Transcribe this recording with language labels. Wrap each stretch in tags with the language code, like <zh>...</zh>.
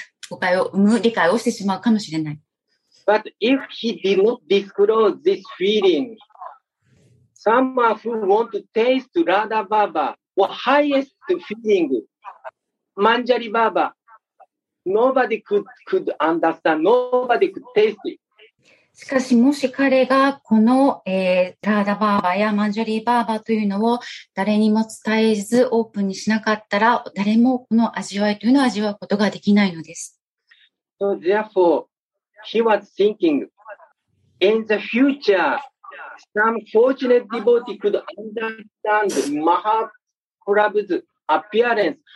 <ja>誤解を生む理解をしてしまうかもしれない。</ja> <en>But if he did not disclose this feeling, someone who wants to taste Radha Baba or highest feeling, Manjari Baba, nobody could understand, nobody could taste it.</en> <ja>しかしもし彼がこの、ラーダバーバやマンジャリーバーバというのを誰にも伝えずオープンにしなかったら誰もこの味わいというのを味わうことができないのです。</ja> <en>So therefore, he was thinking, in the future, some fortunate devotee could understand Mahaprabhu's appearance.</en>